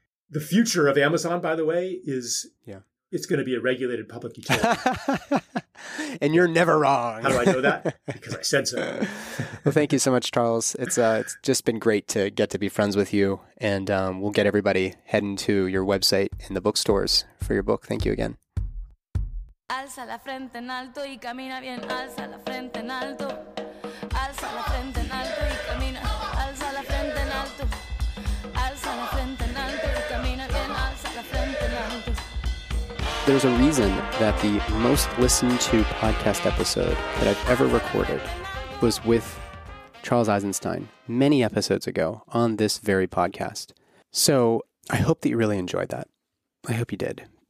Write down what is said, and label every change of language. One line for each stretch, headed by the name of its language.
English: The future of Amazon, by the way, is it's going to be a regulated public utility. And you're never wrong. How do I know that? Because I said so. Well, thank you so much, Charles. It's just been great to get to be friends with you. And we'll get everybody heading to your website and the bookstores for your book. Thank you again.
Spanish: Alza la frente en alto y camina bien. Alza la frente en alto. Alza la frente en alto y camina. Alza la frente en alto. Alza la frente en alto y camina bien. Alza la frente en alto.
English: There's a reason that the most listened to podcast episode that I've ever recorded was with Charles Eisenstein many episodes ago on this very podcast. So I hope that you really enjoyed that. I hope you did.